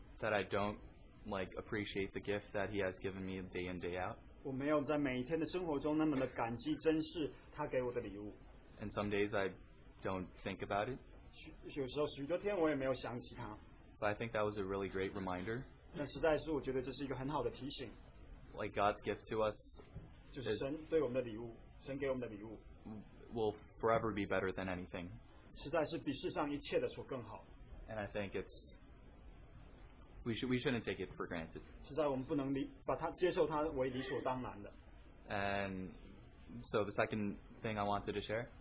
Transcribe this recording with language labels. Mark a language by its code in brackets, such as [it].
[en] That I don't like appreciate the gift that He has given me day in day out. [zh] 我没有在每一天的生活中那么的感激珍视他给我的礼物。 [en] And some days I don't think about it. [zh] 有时候许多天我也没有想起他。 [en] But I think that was a really great reminder. [zh] 但实在是我觉得这是一个很好的提醒。 [en] Like God's gift to us. [zh] 就是神对我们的礼物，神给我们的礼物。 [en] Will forever be better than anything. [zh] 实在是比世上一切的所更好。 [en] And I think it's. We shouldn't take it for granted. [zh] 实在我们不能把它接受它为理所当然的。 [en] And so the second thing I wanted to share.